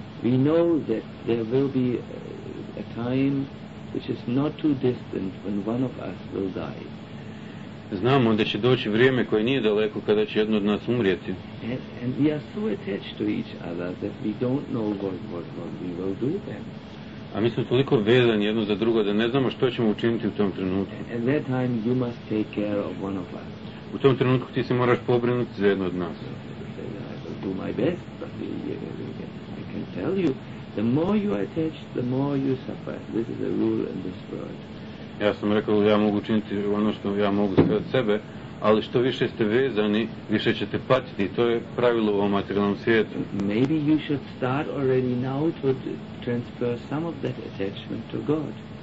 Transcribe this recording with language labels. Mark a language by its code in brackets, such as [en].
[en] We know that there will be a time which is not too distant when one of us will die. [hr] Znamo da će doći vrijeme koje nije daleko kada će jedno od nas umrijeti. [en] And we are so attached to each other that we don't know what we will do then. [hr] A mi smo toliko vezani jedno za drugo da ne znamo što ćemo učiniti u tom trenutku. [en] And that time you must take care of one of us. [hr] U tom trenutku ti se moraš pobrinuti za jedno od nas. [en] Do my best, but I can tell you, the more you are attached, the more you suffer. This is a rule in this world. [hr] Ja sam rekao, ja mogu učiniti ono što ja mogu sve od sebe, ali što više ste vezani, više ćete patiti. To je pravilo u ovom materijalnom svijetu. [en] Maybe you should start already now to transfer some of that attachment to God.